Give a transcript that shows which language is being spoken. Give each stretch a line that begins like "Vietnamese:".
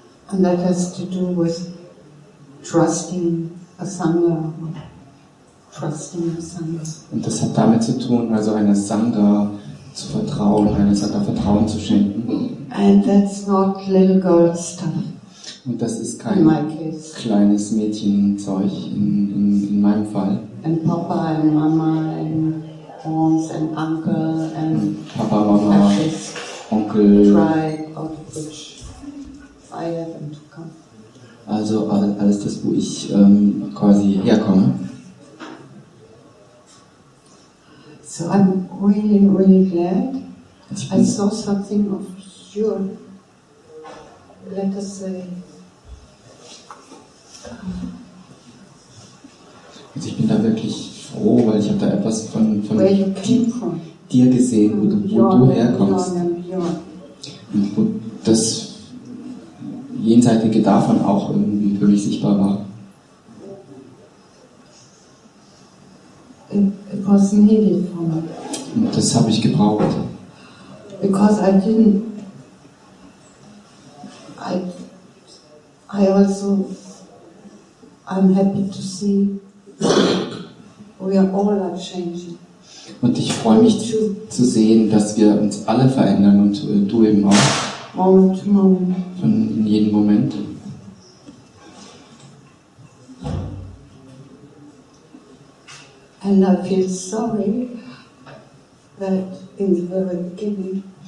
English: And that has to do with trusting a Sangha, trusting a Sangha.
German: Und das hat damit zu tun, also eine Sangha zu vertrauen, eine Sangha Vertrauen zu schenken.
English: And that's not little girl stuff.
German: Und das ist kein kleines Mädchenzeug in meinem Fall.
English: And Papa and Mama and aunts and uncle and
German: Papa, Mama, Onkel.
English: Tribe of which I happen to come.
German: Also alles das, wo ich quasi herkomme.
English: So I'm really, really glad I saw something of your, let us say.
German: Also ich bin da wirklich froh, weil ich habe da etwas von
English: where you came from.
German: Dir gesehen, wo du herkommst. Und wo das Jenseitige davon auch irgendwie für mich sichtbar war.
English: It was needed for me.
German: Und das habe ich gebraucht.
English: Because I'm happy to see we are all are changing.
German: Und ich freue mich zu sehen, dass wir uns alle verändern und du eben auch.
English: Moment to moment.
German: In jedem Moment.
English: And I feel sorry that in the very beginning.